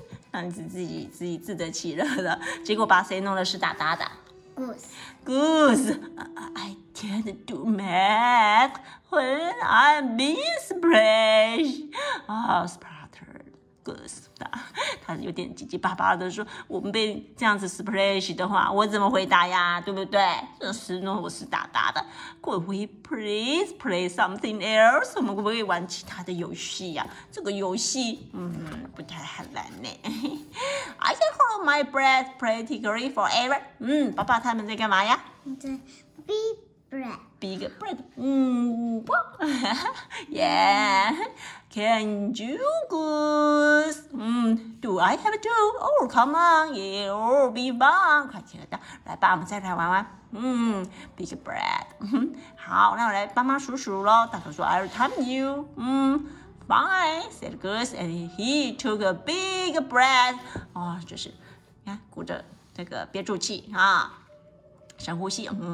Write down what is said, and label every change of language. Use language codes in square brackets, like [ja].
[zh] 让你自己自得其乐的，结果把谁弄的湿哒哒的 [en] ？Goose, Goose, I can't do math when I'm being splashed. Oh, spluttered Goose. [zh] 他有点急急巴巴的说：“我们被这样子 splashed 的话，我怎么回答呀？对不对？这湿弄我湿哒哒的。 [en] Could we please play something else? [zh] 我们可不可以玩其他的游戏呀？这个游戏，不太好玩呢。 [en] I can hold my breath practically forever. [zh] 爸爸他们在干嘛呀？在 [en] big breath. Big breath. 哇，Yeah. Can you, Goose? Do I have to? Oh, come on. It'll be fun. [zh] 快起来的，来吧，我们再来玩玩。 [en] Big breath. [zh] 好，那我来帮忙数数咯。大头说 [en] I'll time you. Fine, said Goose, and he took a big breath. [zh] 哦，就是，你看，鼓着这个憋住气啊，深呼吸。